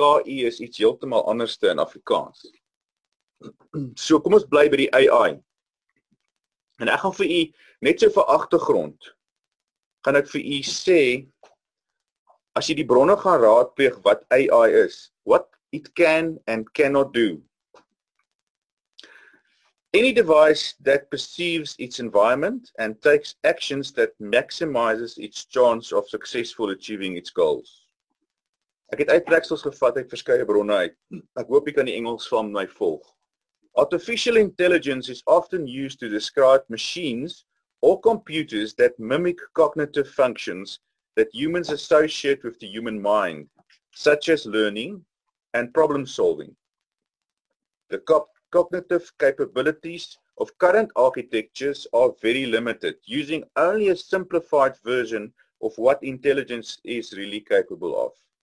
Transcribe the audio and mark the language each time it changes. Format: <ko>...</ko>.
<af>KI is iets heeltemal anderste in Afrikaans. So kom ons bly by die AI. En ek gaan vir u net so vir agtergrond gaan ek vir u sê as jy die bronne gaan raadpleeg wat AI is,</af> <en>what it can and cannot do. Any device that perceives its environment and takes actions that maximizes its chance of successful achieving its goals.</en> <af>Ek het uittreksels gevat uit verskeie bronne uit. Ek hoop jy kan die Engels van my volg.</af> <en>Artificial intelligence is often used to describe machines or computers that mimic cognitive functions that humans associate with the human mind, such as learning and problem solving. The cognitive capabilities of current architectures are very limited, using only a simplified version of what intelligence is really capable of.</en>